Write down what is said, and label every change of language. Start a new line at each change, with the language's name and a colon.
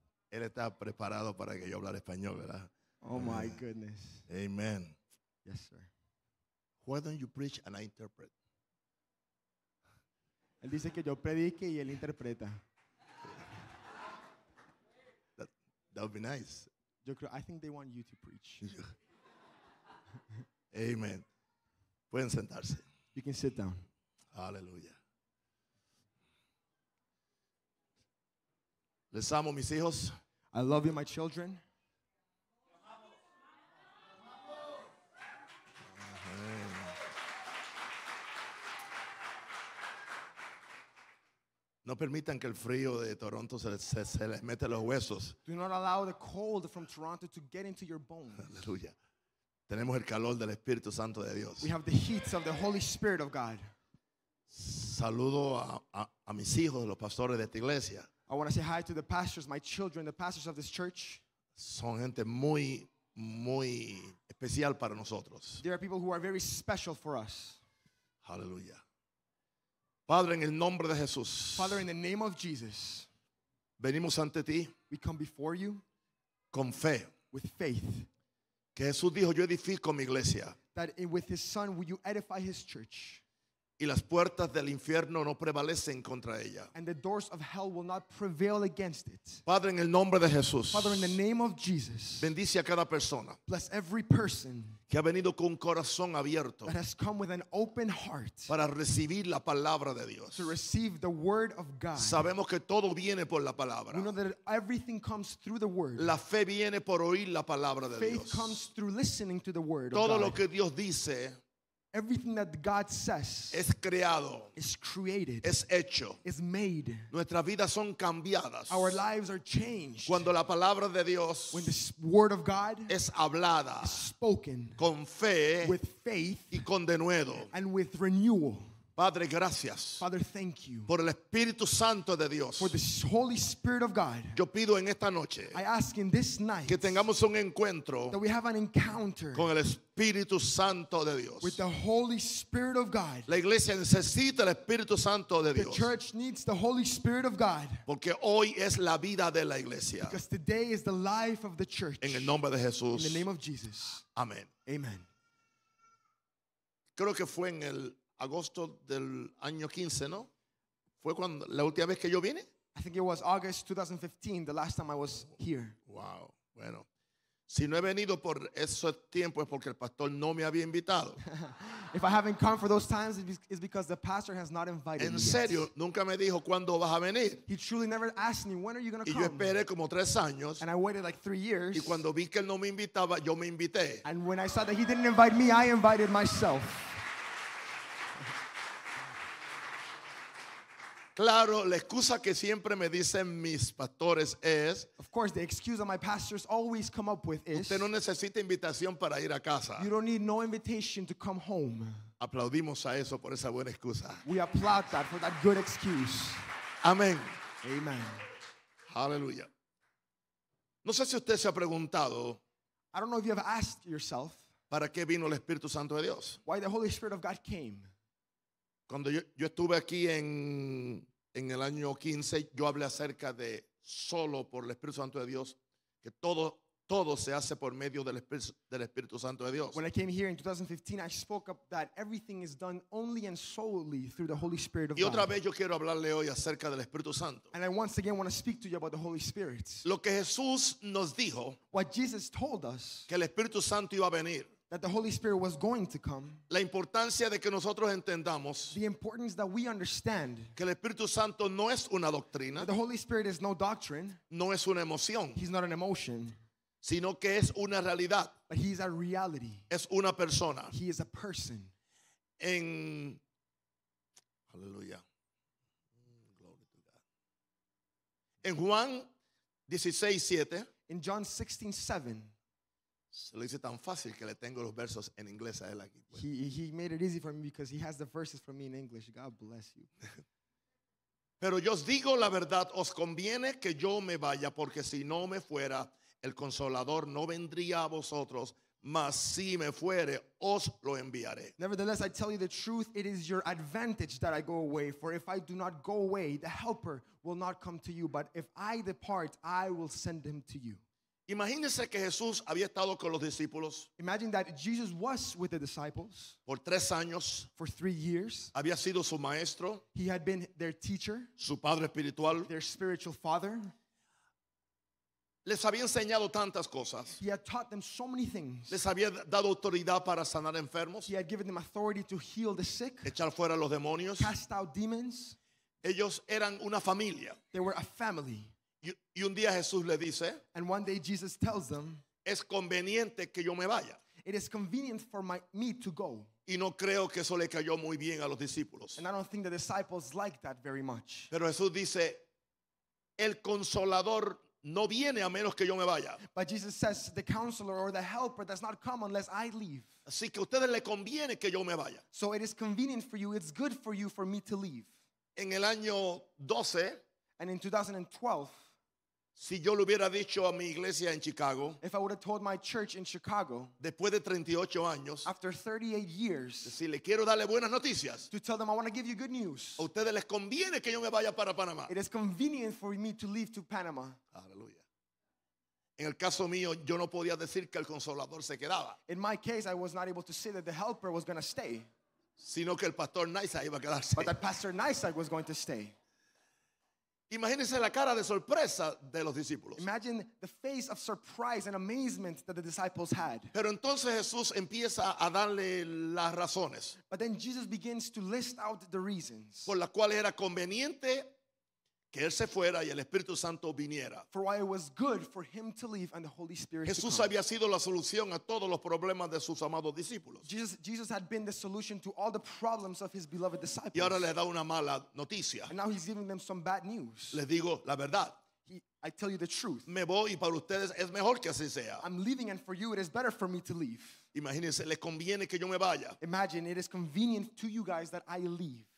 Spanish: Él está preparado para que yo hablar español, ¿verdad?
English: Oh my goodness. Amen. Yes, sir. Why don't you preach and I interpret?
Spanish: Él dice que yo predique y él interpreta.
English: That would be nice.
Spanish: Yo creo,
English: I think they want you to preach.
Spanish: Amen. Pueden sentarse.
English: You can sit down. Hallelujah.
Spanish: Les amo, mis hijos.
English: I love you, my children.
Spanish: No permitan que el frío de Toronto se les meta los huesos.
English: Do not allow the cold from Toronto to get into your bones.
Spanish: Aleluya. Tenemos el calor del Espíritu Santo de Dios.
English: We have the heat of the Holy Spirit of God.
Spanish: Saludo a mis hijos, los pastores de esta iglesia.
English: I want to say hi to the pastors, my children, the pastors of this church.
Spanish: Son gente muy, muy especial para nosotros.
English: They are people who are very special for us.
Spanish: Aleluya. Padre, en el nombre de Jesús.
English: Father, in the name of Jesus.
Spanish: Venimos ante ti.
English: We come before you.
Spanish: Con fe.
English: With faith.
Spanish: Que Jesús dijo, yo edifico mi iglesia.
English: That with his son, will you edify his church.
Spanish: Y las puertas del infierno no prevalecen contra ella.
English: And the doors of hell will not prevail against it.
Spanish: Padre, en el nombre de Jesús.
English: Father, in the name of Jesus.
Spanish: Bendice a cada persona.
English: Bless every person.
Spanish: Que ha venido con un corazón abierto.
English: That has come with an open heart.
Spanish: Para recibir la palabra de Dios.
English: To receive the word of God.
Spanish: Sabemos que todo viene por la palabra.
English: We know that everything comes through the word.
Spanish: La fe viene por oír la palabra de
English: Faith
Spanish: Dios.
English: Faith comes through listening to the word
Spanish: todo
English: of God.
Spanish: Todo lo que Dios dice.
English: Everything that God says
Spanish: es creado,
English: is created,
Spanish: es hecho,
English: is made.
Spanish: Nuestras vidas son cambiadas.
English: Our lives are changed.
Spanish: Cuando la palabra de Dios,
English: when the word of God
Spanish: es hablada,
English: is spoken,
Spanish: con fe,
English: with faith,
Spanish: y con denuedo,
English: and with renewal.
Spanish: Padre, gracias.
English: Father, thank you.
Spanish: Por el Espíritu Santo de Dios.
English: For the Holy Spirit of God.
Spanish: Yo pido en esta noche.
English: I ask in this night.
Spanish: Que tengamos un encuentro.
English: That we have an encounter.
Spanish: Con el Espíritu Santo de Dios.
English: With the Holy Spirit of God.
Spanish: La iglesia necesita el Espíritu Santo de Dios.
English: The church needs the Holy Spirit of God.
Spanish: Porque hoy es la vida de la iglesia.
English: Because today is the life of the church.
Spanish: En el nombre de Jesús.
English: In the name of Jesus.
Spanish: Amén.
English: Amen.
Spanish: Creo que fue en el agosto del año 15, ¿no? ¿Fue cuando la última vez que yo vine?
English: I think it was August 2015, the last time I was here.
Spanish: Wow, bueno. Si no he venido por esos tiempos es porque el pastor no me había invitado.
English: If I haven't come for those times, it's because the pastor has not invited me.
Spanish: En serio,
English: yet.
Spanish: Nunca me dijo cuándo vas a venir.
English: He truly never asked me, when are you going to come?
Spanish: Y yo esperé como 3 años.
English: And I waited like 3 years.
Spanish: Y cuando vi que él no me invitaba, yo me invité.
English: And when I saw that he didn't invite me, I invited myself.
Spanish: Claro, la excusa que siempre me dicen mis pastores es.
English: Of course, the excuse that my pastors always come up with is.
Spanish: Usted no necesita invitación para ir a casa.
English: You don't need no invitation to come home.
Spanish: Aplaudimos a eso por esa buena excusa.
English: We applaud that for that good excuse.
Spanish: Amén.
English: Amen.
Spanish: Aleluya. No sé si usted se ha preguntado.
English: I don't know if you have asked yourself.
Spanish: ¿Para qué vino el Espíritu Santo de Dios?
English: Why the Holy Spirit of God came.
Spanish: Cuando yo estuve aquí en el año 15, yo hablé acerca de solo por el Espíritu Santo de Dios, que todo se hace por medio del Espíritu Santo de Dios.
English: When I came here in 2015, I spoke up that everything is done only and solely through the Holy Spirit of God.
Spanish: Y otra vez yo quiero hablarle hoy acerca del Espíritu Santo.
English: And I once again want to speak to you about the Holy Spirit.
Spanish: Lo que Jesús nos dijo,
English: what Jesus told us,
Spanish: que el Espíritu Santo iba a venir,
English: that the Holy Spirit was going to come.
Spanish: La importancia de que nosotros entendamos.
English: The importance that we understand.
Spanish: Que el Espíritu Santo no es una doctrina.
English: The Holy Spirit is no doctrine.
Spanish: No es una emoción.
English: He's not an emotion.
Spanish: Sino que es una realidad.
English: But he's a reality.
Spanish: Es una persona.
English: He is a person.
Spanish: En Aleluya.
English: Glory to God.
Spanish: En Juan 16:7.
English: In John 16:7.
Spanish: Se lo hice tan fácil que le tengo los versos en inglés a él aquí.
English: He made it easy for me because he has the verses for me in English. God bless you.
Spanish: Pero yo os digo la verdad, os conviene que yo me vaya, porque si no me fuera, el Consolador no vendría a vosotros, mas si me fuere, os lo enviaré.
English: Nevertheless, I tell you the truth, it is your advantage that I go away, for if I do not go away, the Helper will not come to you, but if I depart, I will send him to you.
Spanish: Imagínense que Jesús había estado con los discípulos.
English: Imagine that Jesus was with the disciples.
Spanish: Por 3 años.
English: For 3 years.
Spanish: Había sido su maestro.
English: He had been their teacher.
Spanish: Su padre espiritual.
English: Their spiritual father.
Spanish: Les había enseñado tantas cosas.
English: He had taught them so many things.
Spanish: Les había dado autoridad para sanar enfermos.
English: He had given them authority to heal the sick.
Spanish: Echar fuera los demonios.
English: Cast out demons.
Spanish: Ellos eran una familia.
English: They were a family.
Spanish: Y un día Jesús le dice,
English: and one day Jesus tells them,
Spanish: es conveniente que yo me vaya.
English: It is convenient for me to go.
Spanish: Y no creo que eso le cayó muy bien a los discípulos.
English: And I don't think the disciples liked that very much.
Spanish: Pero Jesús dice, el Consolador no viene a menos que yo me vaya.
English: But Jesus says, the Counselor or the Helper does not come unless I leave.
Spanish: Así que a ustedes le conviene que yo me vaya.
English: So it is convenient for you, it's good for you for me to leave.
Spanish: En el año 12,
English: and in 2012,
Spanish: si yo le hubiera dicho a mi iglesia en Chicago,
English: if I would have told my church in Chicago,
Spanish: después de 38 años,
English: after 38 years,
Spanish: si le quiero darle buenas noticias,
English: to tell them I want to give you good news,
Spanish: a ustedes les conviene que yo me vaya para Panamá.
English: It is convenient for me to leave to Panama.
Spanish: Aleluya. En el caso mío, yo no podía decir que el Consolador se quedaba.
English: In my case, I was not able to say that the Helper was going to stay.
Spanish: Sino que el Pastor Nysa iba a quedarse.
English: But that Pastor Nysa was going to stay.
Spanish: Imagínense la cara de sorpresa de los discípulos.
English: Imagine the face of surprise and amazement that the disciples had.
Spanish: Pero entonces Jesús empieza a darle las razones.
English: But then Jesus begins to list out the reasons.
Spanish: Por la cual era conveniente que él se fuera y el Espíritu Santo viniera.
English: For why it was good for him to leave and the Holy Spirit
Spanish: Jesús
English: to come.
Spanish: Jesús había sido la solución a todos los problemas de sus amados discípulos.
English: Jesus had been the solution to all the problems of his beloved disciples.
Spanish: Y ahora les da una mala noticia.
English: And now he's giving them some bad news.
Spanish: Les digo la verdad.
English: I tell you the truth.
Spanish: Me voy y para ustedes es mejor que así sea.
English: I'm leaving and for you it is better for me to leave.
Spanish: Imagínense, les conviene que yo me vaya.
English: Imagine, it is convenient to you guys that I leave.